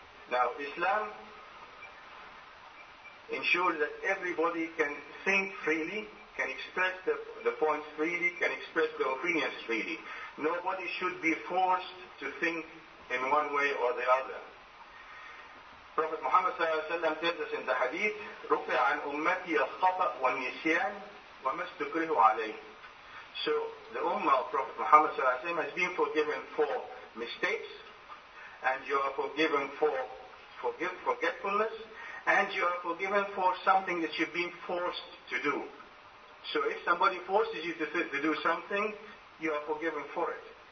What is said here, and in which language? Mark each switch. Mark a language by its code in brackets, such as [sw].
[en] Now, Islam ensures that everybody can think freely, can express the points freely, can express their opinions freely. Nobody should be forced to think in one way or the other. [ar] Prophet Muhammad صلى الله عليه وسلم [en] tells us in the hadith, [ar] رُفِعَ عَنْ أُمَّتِي الْخَطَأْ وَالنِّسِيَانِ وَمَا اسْتُكْرِهُ عَلَيْهِ. [en] So the ummah of Prophet Muhammad [ar] صلى الله عليه وسلم [en] has been forgiven for mistakes, and you are forgiven for forgetfulness, and you are forgiven for something that you've been forced to do. So if somebody forces you to do something, you are forgiven for it.